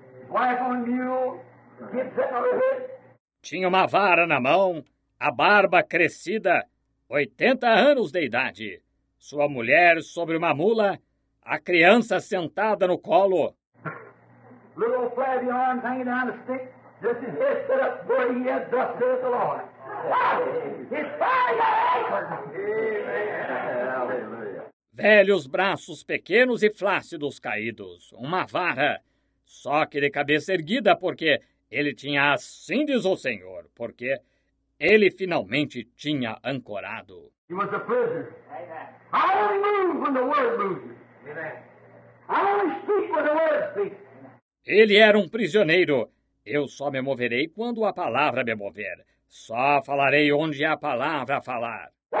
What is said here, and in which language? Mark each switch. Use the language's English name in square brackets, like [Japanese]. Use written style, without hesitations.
[English] Wife on a mule. Kids sitting on a hood. [Portuguese] Tinha uma vara na mão. A barba crescida. 80 anos de idade. Sua mulher sobre uma mula. A criança sentada no colo. [English] Little flabby arms hanging down a stick. Just his head set up where he had thus saith the Lord. Oh, he's finally got anchored. Amen. Hallelujah. [Portuguese] Velhos braços pequenos e flácidos caídos. Uma vara. Só que de cabeça erguida, porque ele tinha assim, diz o Senhor. Porque ele finalmente tinha ancorado. [English] He was a prisoner. I only move when the word moves. Amen. I only speak when the word speaks. [Portuguese] Ele era um prisioneiro. Eu só me moverei quando a palavra me mover. Só falarei onde a palavra falar.